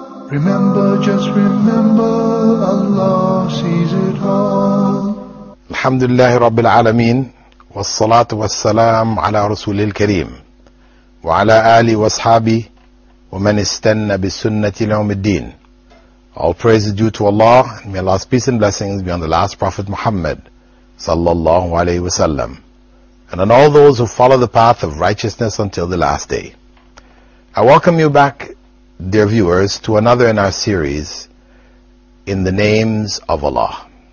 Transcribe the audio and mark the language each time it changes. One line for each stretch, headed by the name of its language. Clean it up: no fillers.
English: Remember, just remember, Allah sees it all.
Arabic: الحمد لله رب العالمين والصلاة والسلام على رسول الكريم وعلى آله وأصحابه ومن استنى بسنة يوم الدين.
English: All praise is due to Allah and may Allah's peace and blessings be on the last Prophet Muhammad sallallahu alayhi wa sallam and on all those who follow the path of righteousness until the last day. I welcome you back, dear viewers, to another in our series, In the Names of Allah.